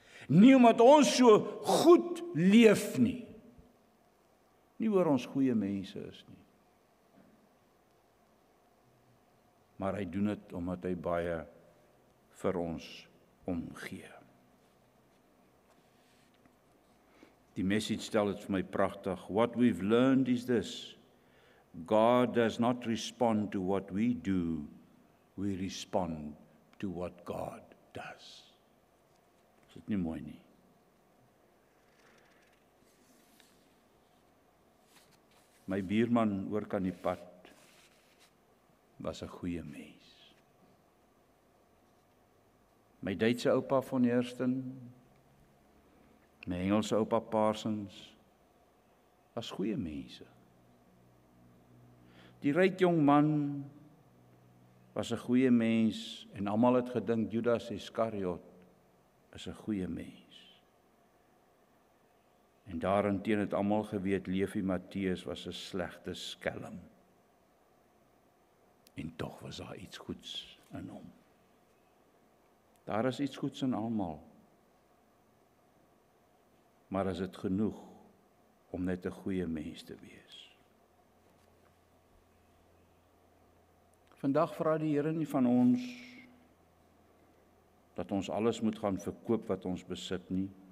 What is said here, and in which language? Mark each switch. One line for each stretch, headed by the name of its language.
Afrikaans: Nie omdat ons so goed leef nie. Nie oor ons goeie mense is nie. Maar hy doen dit omdat hy baie vir ons omgee. Die message stel het vir my prachtig.
English: What we've learned is this. God does not respond to what we do. We respond to what God does.
Afrikaans: Is dit nie mooi nie? My buurman oor kan die pad was 'n goeie mens. My Duitse oupa van Horsten, my Engelse oupa Parsons, was goeie mense. Die ryk jong man was 'n goeie mens en almal het gedink Judas Iskariot is 'n goeie mens. En daarenteen het almal geweet Leefie Matteus was 'n slegte skelm. En tog was daar iets goeds in hom. Daar is iets goeds in almal. Maar is dit genoeg om net 'n goeie mens te wees? Vandag vra die Here nie van ons dat ons alles moet gaan verkoop wat ons besit nie.